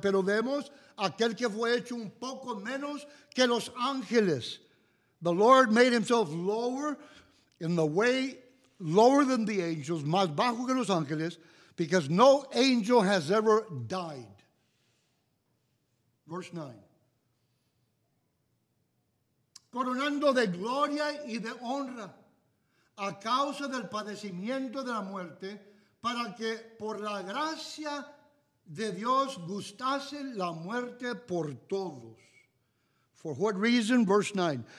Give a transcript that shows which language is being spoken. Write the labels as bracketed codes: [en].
[es] Pero vemos aquel que fue hecho un poco menos que los ángeles. [en] The Lord made himself lower in the way, lower than the angels, [es] más bajo que los ángeles, [en] because no angel has ever died. Verse 9. [es] Coronando de gloria y de honra a causa del padecimiento de la muerte, para que por la gracia de Dios gustase la muerte por todos. [en] For what reason? Verse 9.